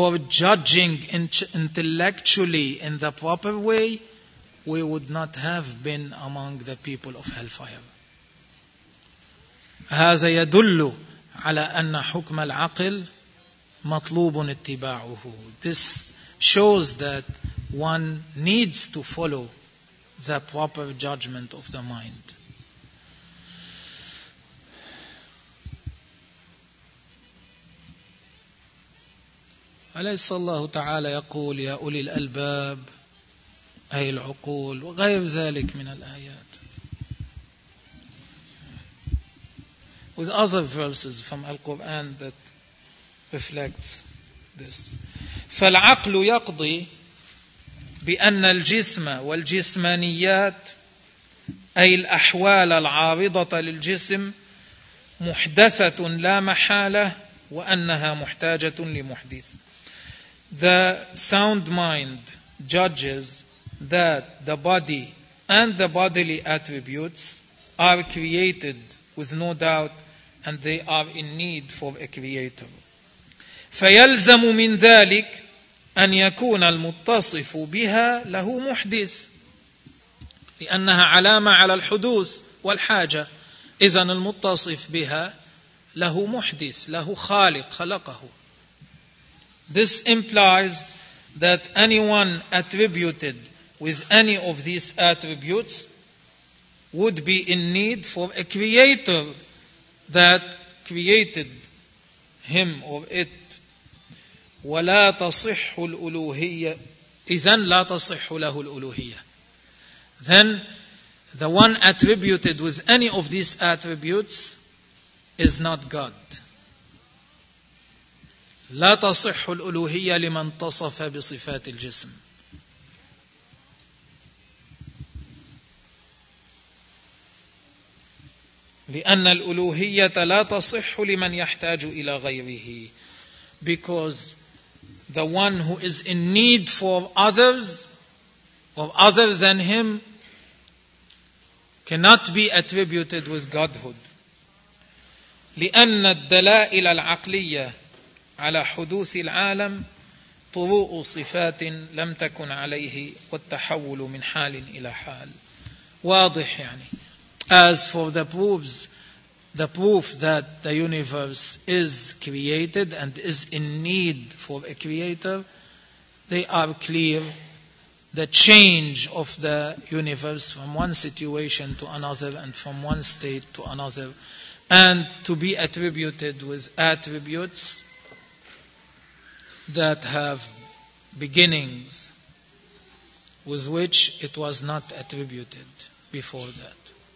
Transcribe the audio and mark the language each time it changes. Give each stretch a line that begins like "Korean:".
English: judging intellectually in the proper way, we would not have been among the people of hellfire.
Arabic: هذا يدل على أن حكم العقل مطلوب اتباعه.
English: This shows that one needs to follow the proper judgment of the mind.
Arabic: أليس الله تعالى يقول يا أولي الألباب أي العقول وغير ذلك من الآيات.
English: With other verses from Al-Quran that reflects this.
Arabic: فالعقل يقضي بأن الجسم والجسمانيات أي الأحوال العارضة للجسم محدثة لا محالة وأنها محتاجة لمحدث.
English: The sound mind judges that the body and the bodily attributes are created with no doubt and they are in need for a creator.
Arabic: فيلزم من ذلك أن يكون المتصف بها له محدث لأنها علامة على الحدوث والحاجة. إذن المتصف بها له محدث, له خالق, خلقه.
English: This implies that anyone attributed with any of these attributes would be in need for a creator that created him or it.
Arabic: ولا تصح الألوهية إذن لا تصح له الألوهية.
English: Then the one attributed with any of these attributes is not God.
Arabic: لا تصح الألوهية لمن تصف بصفات الجسم. لأن الألوهية لا تصح لمن يحتاج إلى غيره.
English: Because the one who is in need for others or other than him cannot be attributed with Godhood.
Arabic: لأن الدلائل العقلية على حدوث العالم طروء صفات لم تكن عليه والتحول من حال إلى حال. واضح يعني.
English: As for the proofs, the proof that the universe is created and is in need for a creator, they are clear. The change of the universe from one situation to another and from one state to another and to be attributed with attributes that have beginnings with which it was not attributed before that.